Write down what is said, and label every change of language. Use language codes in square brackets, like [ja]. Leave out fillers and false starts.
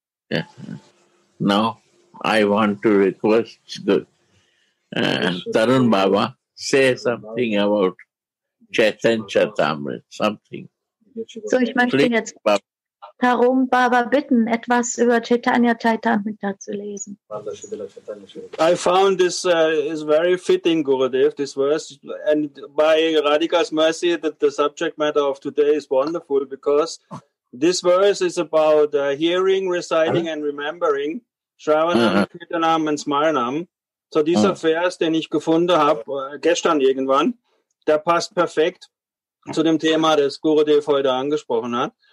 [en] Yes. Now, I want to request Tarun Baba say something about Chaitanya Chaitamrita. Something. [de] So, ich möchte please, jetzt Tarun Baba bitten, etwas über Chaitanya Chaitamrita zu lesen. [en] I found this is very fitting, Gurudev, this verse. And by Radhika's mercy, that the subject matter of today is wonderful, because this verse is about hearing, reciting and remembering Shravanam, Kirtanam and Smaranam. [de] So dieser Vers, den ich gefunden habe, gestern irgendwann, der passt perfekt zu dem Thema, das Gurudev heute angesprochen hat.